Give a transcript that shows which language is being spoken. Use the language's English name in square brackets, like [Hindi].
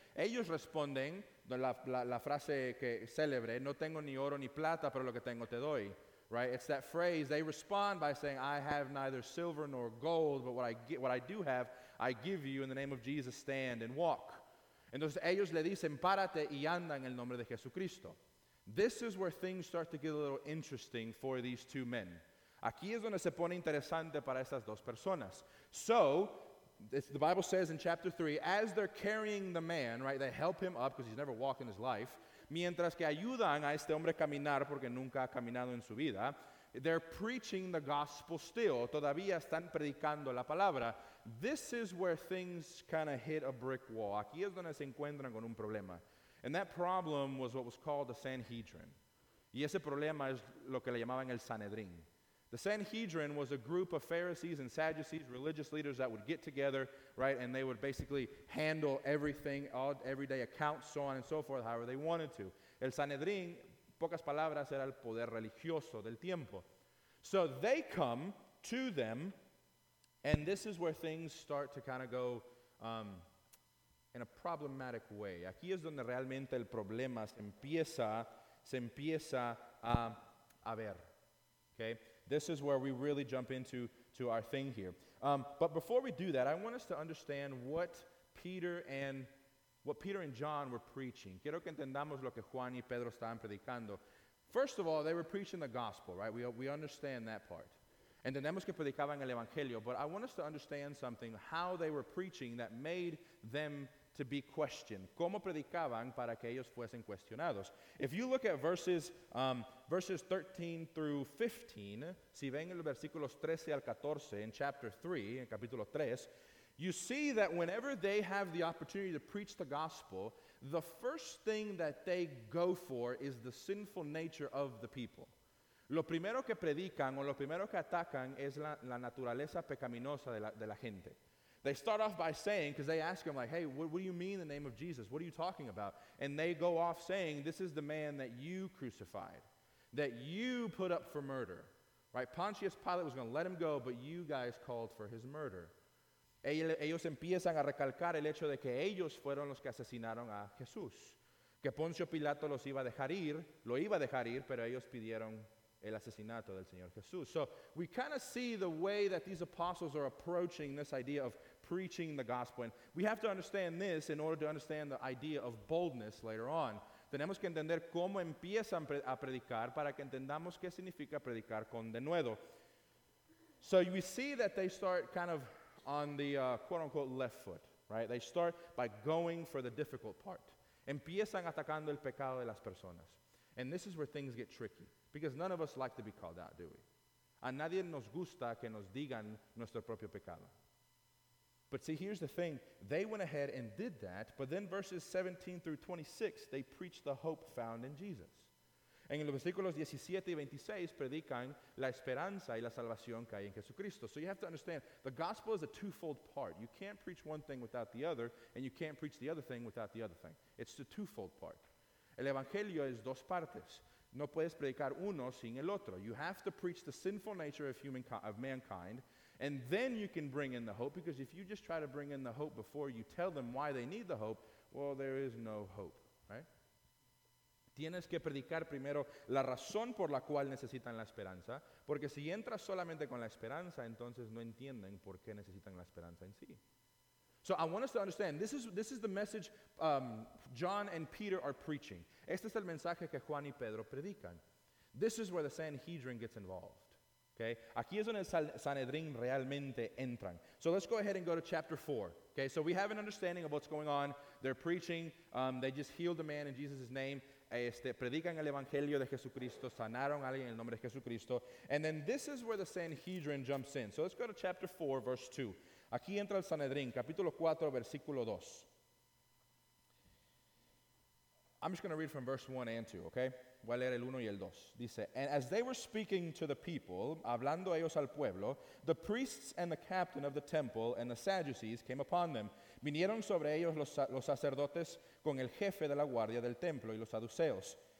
[Spanish] Ellos responden, la frase que célebre, no tengo ni oro ni plata, pero lo que tengo te doy. [English] Right? It's that phrase. They respond by saying, I have neither silver nor gold, but what I do have, I give you in the name of Jesus, stand and walk. [Spanish] Entonces ellos le dicen, párate y anda en el nombre de Jesucristo. [English] This is where things start to get a little interesting for these two men. [Spanish] Aquí es donde se pone interesante para estas dos personas. [English] So, the Bible says in chapter 3, as they're carrying the man, right, they help him up because he's never walked in his life, [Spanish] mientras que ayudan a este hombre a caminar porque nunca ha caminado en su vida, [English] they're preaching the gospel still. [Spanish] Todavía están predicando la palabra. [English] This is where things kind of hit a brick wall. [Spanish] Aquí es donde se encuentran con un problema. [English] And that problem was what was called the Sanhedrin. [Spanish] Y ese problema es lo que le llamaban el Sanedrín. [English] The Sanhedrin was a group of Pharisees and Sadducees, religious leaders that would get together, right, and they would basically handle everything, all everyday accounts, so on and so forth, however they wanted to. [Spanish] El Sanhedrin, pocas palabras, era el poder religioso del tiempo. [English] So they come to them, and this is where things start to kind of go in a problematic way. [Spanish] Aquí es donde realmente el problema se empieza a ver. [English] Okay? This is where we really jump into our thing here. But before we do that, I want us to understand what Peter and John were preaching. [Spanish] Quiero que entendamos lo que Juan y Pedro estaban predicando. [English] First of all, they were preaching the gospel, right? We understand that part. [Spanish] Entendemos que predicaban el evangelio, [English] but I want us to understand something, how they were preaching that made them to be questioned. [Spanish] ¿Cómo predicaban para que ellos fuesen cuestionados? [English] If you look at verses 13 through 15, [Spanish] si ven los versículos 13 al 14 [English] in chapter 3, in [Spanish] capítulo 3, [English] you see that whenever they have the opportunity to preach the gospel, the first thing that they go for is the sinful nature of the people. [Spanish] Lo primero que predican o lo primero que atacan es la naturaleza pecaminosa de la gente. [English] They start off by saying, because they ask him, like, hey, what do you mean the name of Jesus? What are you talking about? And they go off saying, this is the man that you crucified, that you put up for murder, right? Pontius Pilate was going to let him go, but you guys called for his murder. [Spanish] Ellos empiezan a recalcar el hecho de que ellos fueron los que asesinaron a Jesús, que Poncio Pilato los iba a dejar ir, lo iba a dejar ir, pero ellos pidieron el asesinato del Señor Jesús. [English] So we kind of see the way that these apostles are approaching this idea of preaching the gospel. And we have to understand this in order to understand the idea of boldness later on. [Spanish] Tenemos que entender cómo empiezan a predicar para que entendamos qué significa predicar con denuedo. [English] So we see that they start kind of on the quote-unquote left foot, right? They start by going for the difficult part. [Spanish] Empiezan atacando el pecado de las personas. [English] And this is where things get tricky. Because none of us like to be called out, do we? [Spanish] A nadie nos gusta que nos digan nuestro propio pecado. [English] But see, here's the thing. They went ahead and did that, but then verses 17 through 26, they preached the hope found in Jesus. [Spanish] En los versículos 17 y 26, predican la esperanza y la salvación que hay en Jesucristo. [English] So you have to understand, the gospel is a twofold part. You can't preach one thing without the other, and you can't preach the other thing without the other thing. It's the twofold part. [Spanish] El evangelio es dos partes. No puedes predicar uno sin el otro. [English] You have to preach the sinful nature of mankind, and then you can bring in the hope, because if you just try to bring in the hope before you tell them why they need the hope, well, there is no hope, right? [Spanish] Tienes que predicar primero la razón por la cual necesitan la esperanza, porque si entras solamente con la esperanza, entonces no entienden por qué necesitan la esperanza en sí. [English] So I want us to understand, this is the message John and Peter are preaching. [Spanish] Este es el mensaje que Juan y Pedro predican. [English] This is where the Sanhedrin gets involved. Okay? [Spanish] Aquí es donde el Sanhedrin realmente entran. [English] So let's go ahead and go to chapter 4. Okay? So we have an understanding of what's going on. They're preaching. They just healed a man in Jesus' name. [Spanish] Predican el Evangelio de Jesucristo. Sanaron a alguien en el nombre de Jesucristo. [English] And then this is where the Sanhedrin jumps in. So let's go to chapter 4, verse 2. [Spanish] Aquí entra el Sanedrín, capítulo 4, versículo 2. [English] I'm just going to read from verse 1 and 2, okay? [Spanish] Voy a leer el 1 y el 2. [English] Dice, and as they were speaking to the people, [Spanish] hablando ellos al pueblo, [English] the priests and the captain of the temple and the Sadducees came upon them. [Spanish] Vinieron sobre ellos los sacerdotes con el jefe de la guardia del templo y los saduceos.